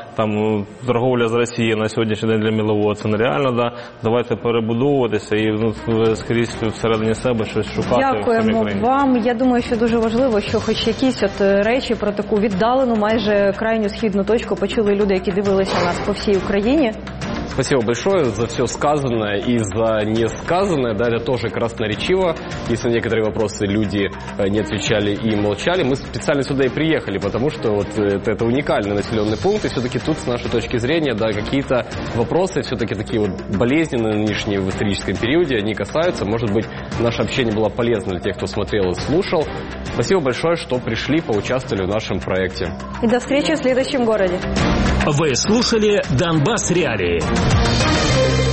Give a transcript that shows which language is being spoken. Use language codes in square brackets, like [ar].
[uk] Там торговля з Росією на сьогоднішній день для мілового це нереально. Да? Давайте перебудовуватися і скрізь всередині себе щось шукати. Дякуємо вам. Я думаю, що дуже важливо, що хоч якісь от речі про таку віддалену, майже крайню східну точку почули люди, які дивилися нас по всій Україні. [ru] Спасибо большое за все сказанное и за несказанное. Да, это тоже красноречиво. Если на некоторые вопросы люди не отвечали и молчали, мы специально сюда и приехали, потому что вот это уникальный населенный пункт. И все-таки тут, с нашей точки зрения, какие-то вопросы все-таки такие вот болезненные нынешние в историческом периоде, они касаются. Может быть, наше общение было полезно для тех, кто смотрел и слушал. Спасибо большое, что пришли, поучаствовали в нашем проекте. И до встречи в следующем городе. Вы слушали «Донбасс Реалии». [en] We'll be right back.